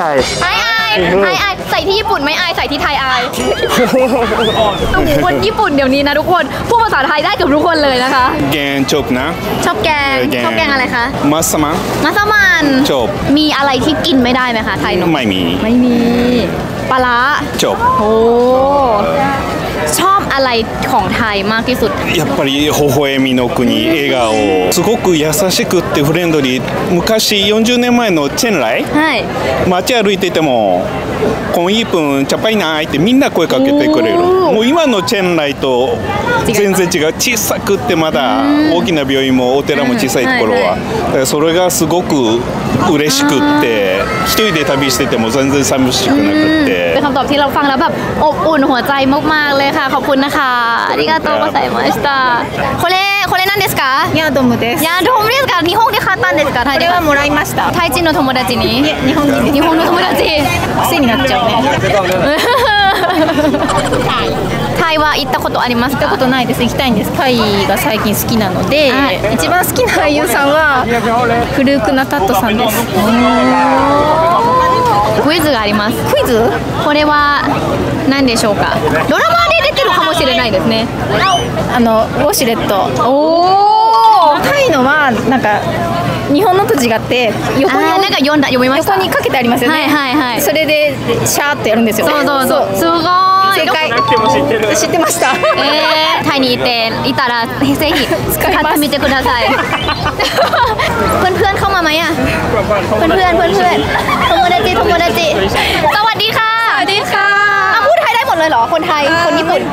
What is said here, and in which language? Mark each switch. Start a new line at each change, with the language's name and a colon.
Thai: อายอายอายอายใส่ที่ญี่ปุ่นไม่อายใส่ที่ไทยอายคนญี่ปุ่นเดี๋ยวนี้นะทุกคนพูดภาษาไทยได้เกือบทุกคนเลยนะคะ แกงจบนะ ชอบแกงชอบแกงอะไรคะ มัสมั้ง มัสมัน จบ มีอะไรที่กินไม่ได้ไหมคะไทย ไม่มี ไม่มีปลาร้า จบ โอ้ชอบอะไรของไทยมากที่สุด
Japanese: やっぱり微笑みの国笑顔すごく優しくってフレンドリー昔40年前のチェンライはい街歩いてても
Thai: こんいぷんちゃぱいない
Japanese: ってみんな声かけてくれるもう今のチェンライと全然違う小さくってまだ大きな病院もお寺も小さいところはだからそれがすごく嬉しくって一人で旅してても全然寂しくなくって
Thai: เป็นคำตอบที่เราฟังแล้วแบบอบอุ่นหัวใจมากๆเลยค่ะขอบคุณนะคะ
Japanese: ありがとうございましたこれこれ何ですかヤドムですヤドムですか日本で買ったんですかこれはもらいましたタイ人の友達に日本人です日本の友達癖になっちゃうねタイは行ったことありますか行ったことないです行きたいんですタイが最近好きなので一番好きな俳優さんはフルークナタットさんですクイズがありますクイズこれは何でしょうかドラマで出てるかもしれないですねあのウォシュレットおー高いのはなんか日本のと違って横になんか読んだ読みました横にかけてありますよねはいはいはいそれでシャーってやるんですよそうそうそうすごい正解っても知ってる。知ってました。タイに行っていたらぜひ使ってみてください。
Thai: เพื่อนๆเข้ามาไหมอ่ะเพื่อนๆเพื่อนๆ
Japanese: โทโมดาจิโทโมดาจิ
Thai: สวัสดีค่ะ สวั สดีค่ะ พูดไทยได้หมดเลยเหรอคนไทยคนญี่ปุ่น